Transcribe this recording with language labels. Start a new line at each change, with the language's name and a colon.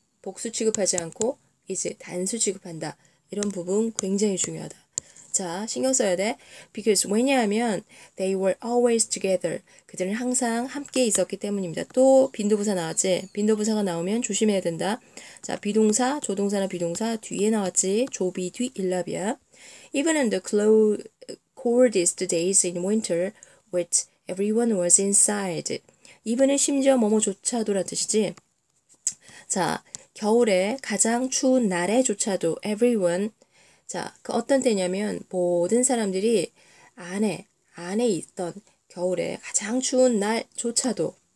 Korean: 복수 취급하지 않고 이제 단수 취급한다. 이런 부분 굉장히 중요하다. 자, 신경 써야 돼. Because 왜냐하면
English: they were always together.
Korean: 그들은 항상 함께 있었기 때문입니다. 또 빈도부사 나왔지. 빈도부사가 나오면 조심해야 된다. 자, 비동사, 조동사나 비동사 뒤에 나왔지. 조비 뒤 일랍이야.
English: Even in the coldest days in winter, which everyone was inside.
Korean: 이분은 심지어 뭐뭐조차도란 뜻이지. 자, 겨울에 가장 추운 날에조차도 everyone. 자, 그 어떤 때냐면 모든 사람들이 안에 있던 겨울에 가장 추운 날조차도.